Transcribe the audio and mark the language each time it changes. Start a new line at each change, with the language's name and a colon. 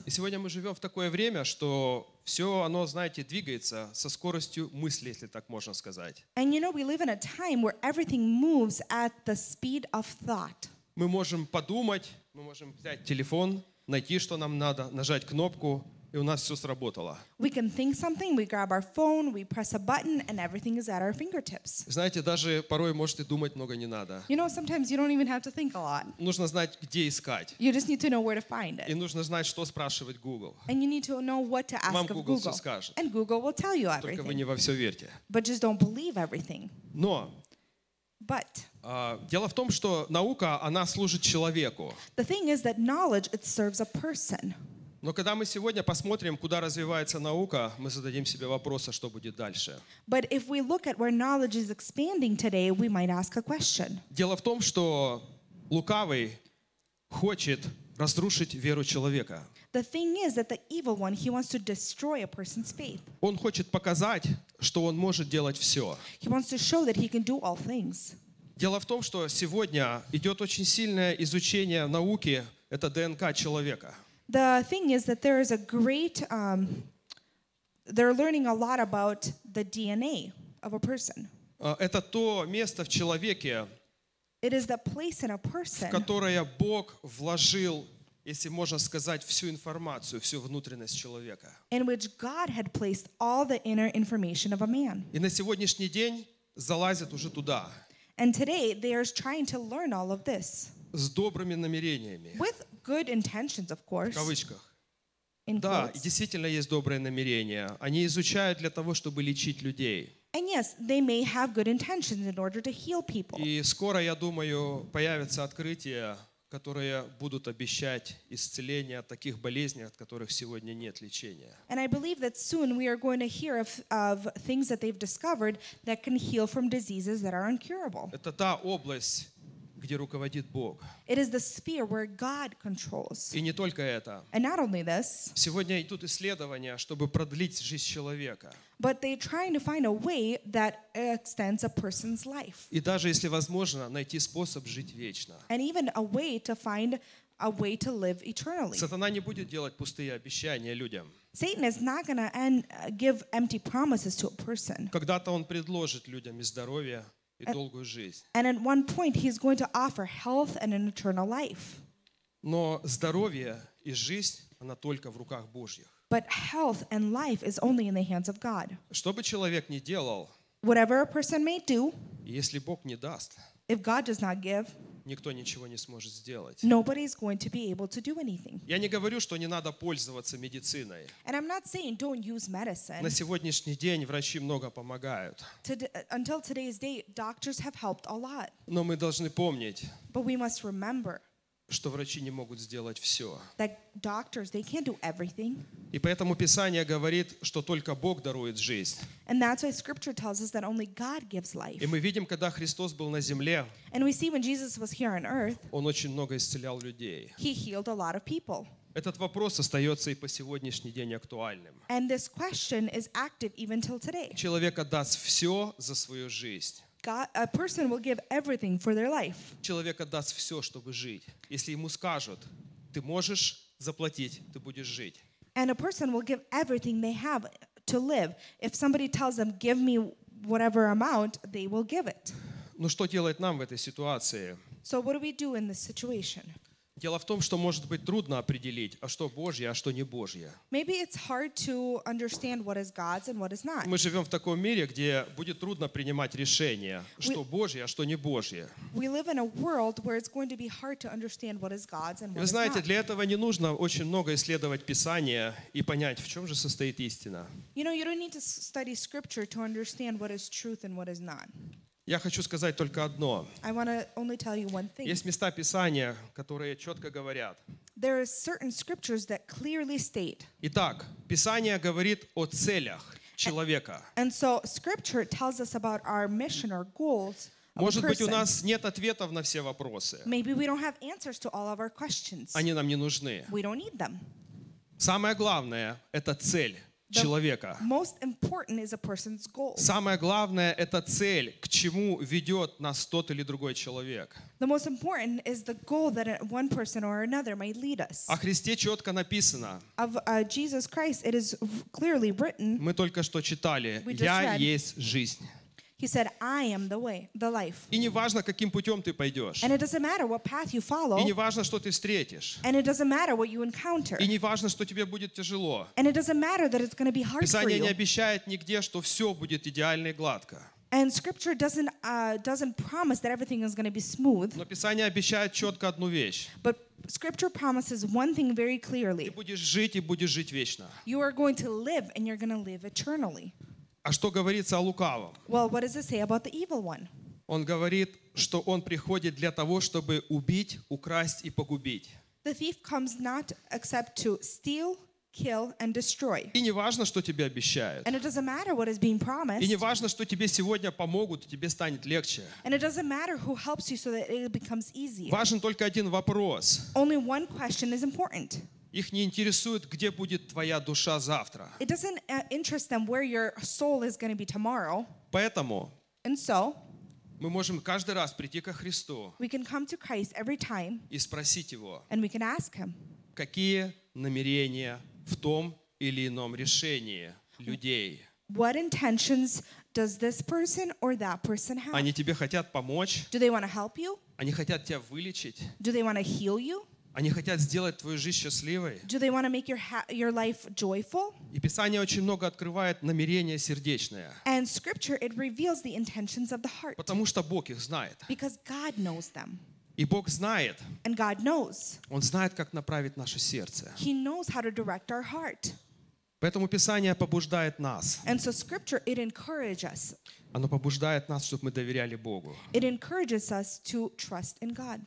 Russian: И сегодня мы живем в такое время, что все оно, знаете, двигается со скоростью мысли, если так можно сказать.
English: And you know, we live in a time where everything moves at the speed of thought.
Russian: Мы можем подумать, мы можем взять телефон, найти, что нам надо, нажать кнопку, и у нас все сработало.
English: We can think something, we grab our phone, we press a button, and everything is at our fingertips.
Russian: Знаете, даже порой, может, и думать много не надо.
English: You know, sometimes you don't even have to think a lot.
Russian: Нужно знать, где искать.
English: You just need to know where to find it.
Russian: И нужно знать, что спрашивать Google.
English: And you need to know what to ask Google.
Russian: Вам Google все скажет.
English: And Google will tell you everything.
Russian: Только вы не во все верьте.
English: But just don't believe everything.
Russian: Но.
English: But.
Russian: Дело в том, что наука, она служит человеку.
English: The thing is that knowledge, it serves a person.
Russian: Но когда мы сегодня посмотрим, куда развивается наука, мы зададим себе вопрос, а что будет дальше.
English: But if we look at where knowledge is expanding today, we might ask a question.
Russian: Дело в том, что лукавый хочет разрушить веру человека.
English: The thing is that the evil one, he wants to destroy a person's faith.
Russian: Он хочет показать, что он может делать все.
English: He wants to show that he can do all things.
Russian: Дело в том, что сегодня идет очень сильное изучение науки, это ДНК человека.
English: The thing is that there is a great, they're learning a lot about the DNA of a person.
Russian: Это то место в человеке,
English: it is the place in a person,
Russian: в которое Бог вложил, если можно сказать, всю информацию, всю внутренность человека.
English: In which God had placed all the inner information of a man.
Russian: И на сегодняшний день залазят уже туда.
English: And today they are trying to learn all of this.
Russian: С добрыми намерениями.
English: With good intentions, of course.
Russian: В кавычках. Да, действительно есть добрые намерения. Они изучают для того, чтобы лечить людей.
English: And yes, they may have good intentions in order to heal people.
Russian: И скоро, я думаю, появятся открытия, которые будут обещать исцеление от таких болезней, от которых сегодня нет лечения.
English: And I believe that soon we are going to hear of things that they've discovered that can heal from diseases that are incurable.
Russian: Это та область, где руководит Бог.
English: It is the sphere where God controls.
Russian: И не только это.
English: And not only this.
Russian: Сегодня идут исследования, чтобы продлить жизнь человека.
English: But they're trying to find a way that extends a person's life.
Russian: И даже если возможно, найти способ жить вечно.
English: And even a way to find a way to live eternally.
Russian: Сатана не будет делать пустые обещания людям.
English: Satan is not going to give empty promises to a person.
Russian: Когда-то он предложит людям и здоровье.
English: And at one point, he's going to offer health and an eternal life.
Russian: Но здоровье и жизнь, она только в руках Божьих.
English: But health and life is only in the hands of God.
Russian: Что бы человек ни делал,
English: whatever a person may do,
Russian: если Бог не даст,
English: if God does not give,
Russian: никто ничего не сможет сделать.
English: Nobody is going to be able to do anything.
Russian: Я не говорю, что не надо пользоваться медициной.
English: And I'm not saying don't use medicine.
Russian: На сегодняшний день врачи много помогают.
English: Until today's day, doctors have helped a lot.
Russian: Но мы должны помнить,
English: but we must remember,
Russian: что врачи не могут сделать все.
English: That doctors, they can't do everything.
Russian: И поэтому Писание говорит, что только Бог дарует жизнь.
English: And that's why Scripture tells us that only God gives life.
Russian: И мы видим, когда Христос был на земле,
English: and we see when Jesus was here on earth,
Russian: Он очень много исцелял людей.
English: He healed a lot of people.
Russian: Этот вопрос остается и по сегодняшний день актуальным.
English: And this question is active even till today.
Russian: Человек отдаст все за свою жизнь.
English: God, a person will give everything for their life.
Russian: Человек отдаст все, чтобы жить. Если ему скажут, ты можешь заплатить, ты будешь жить.
English: And a person will give everything they have to live. If somebody tells them, give me whatever amount, they will give it.
Russian: Ну что делать нам в этой ситуации?
English: So what do we do in this situation?
Russian: Дело в том, что может быть трудно определить, а что Божье, а что не Божье.
English: Maybe it's hard to understand what is God's and what is not.
Russian: Мы живем в таком мире, где будет трудно принимать решения, что Божье, а что не Божье.
English: We live in a world where it's going to be hard to understand what is God's and what is not.
Russian: Вы знаете, для этого не нужно очень много исследовать Писание и понять, в чем же состоит истина.
English: You know, you don't need to study Scripture to understand what is truth and what is not.
Russian: Я хочу сказать только одно.
English: I want to only tell you one thing.
Russian: Есть места Писания, которые четко говорят.
English: There are certain scriptures that clearly state.
Russian: Итак, Писание говорит о целях человека.
English: And so scripture tells us about our mission or goals.
Russian: Может быть, у нас нет ответов на все вопросы.
English: Maybe we don't have answers to all of our questions.
Russian: Они нам не нужны.
English: We don't need them.
Russian: Самое главное — это цель.
English: The most important is a person's goal.
Russian: Самое главное — это цель, к чему ведет нас тот или другой человек.
English: The most important is the goal that one person or another may lead us.
Russian: О Христе четко написано.
English: Of Jesus Christ, it is clearly written.
Russian: Мы только что читали. Я есть жизнь.
English: He said, I am the way, the life.
Russian: И не важно, каким путем ты пойдешь.
English: And it doesn't matter what path you follow.
Russian: И не важно, что ты встретишь.
English: And it doesn't matter what you encounter.
Russian: И не важно, что тебе будет тяжело.
English: And it doesn't matter that it's going to be hard
Russian: Писание Писание не обещает нигде, что все будет идеально и гладко.
English: And Scripture doesn't promise that everything is going to be smooth.
Russian: Но Писание обещает четко одну вещь.
English: But Scripture promises one thing very clearly.
Russian: Ты будешь жить и будешь жить вечно.
English: You are going to live and you're going to live eternally.
Russian: А что говорится о лукавом?
English: Well, what does it say about the evil one?
Russian: Он говорит, что он приходит для того, чтобы убить, украсть и погубить.
English: The thief comes not except to steal, kill and destroy.
Russian: И не важно, что тебе обещают.
English: And it doesn't matter what is being promised.
Russian: И не важно, что тебе сегодня помогут, тебе станет легче.
English: And it doesn't matter who helps you so that it becomes easier.
Russian: Важен только один вопрос.
English: Only one question is important.
Russian: Их не интересует, где будет твоя душа завтра.
English: It doesn't interest them where your soul is going to be tomorrow.
Russian: Поэтому
English: and so,
Russian: мы можем каждый раз прийти ко Христу,
English: we can come to Christ every time,
Russian: и спросить Его,
English: and we can ask Him,
Russian: какие намерения в том или ином решении людей.
English: What intentions does this person or that person have?
Russian: Они тебе хотят помочь?
English: Do they want to help you?
Russian: Они хотят тебя вылечить?
English: Do they want to heal you?
Russian: Они хотят сделать твою жизнь счастливой.
English: Do they want to make your life joyful?
Russian: И Писание очень много открывает намерения сердечные.
English: And Scripture, it reveals the intentions of the heart.
Russian: Потому что Бог их знает.
English: Because God knows them.
Russian: И Бог знает.
English: And God knows.
Russian: Он знает, как направить наше сердце.
English: He knows how to direct our heart.
Russian: Поэтому Писание побуждает нас.
English: And so scripture, it encourages us.
Russian: Оно побуждает нас, чтобы мы доверяли Богу.
English: It encourages us to trust in God.